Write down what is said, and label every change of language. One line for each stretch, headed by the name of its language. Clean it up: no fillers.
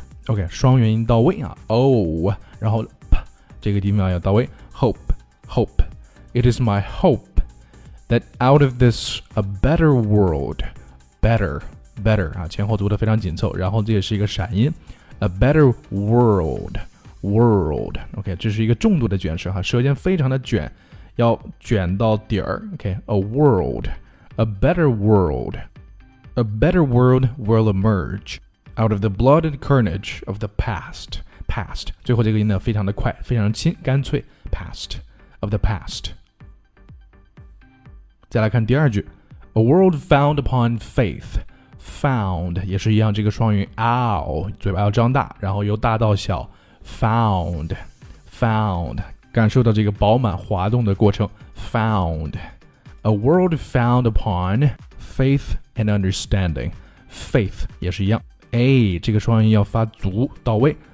English: OK，
Chinese: 双元音到位啊
English: ，O， 然后。
Chinese: 这个地方要到位
English: Hope, hope It is my hope That out of this A better world Better, better、啊、
Chinese: 前后读得非常紧凑然后这也是一个闪音
English: a better world, world.
Chinese: OK, 这是一个重度的卷舌哈，舌尖非常的卷，要卷到底儿。
English: OK, a world, a better world, a better world will emerge out of the blood and carnage of the past.
Chinese: Past, 最后这个音呢非常的快，非常轻，干脆。Past,
English: of the past.
Chinese: 再来看第二句。
English: A world found upon faith.
Chinese: Found, 也是一样这个双韵 ow, 嘴巴要张大，然后由大到小。 Found, found, 感受到这个饱满滑动的过程。
English: Found, a world found upon faith and understanding.
Chinese: Faith, 也是一样。 A, 这个双韵要发足到位。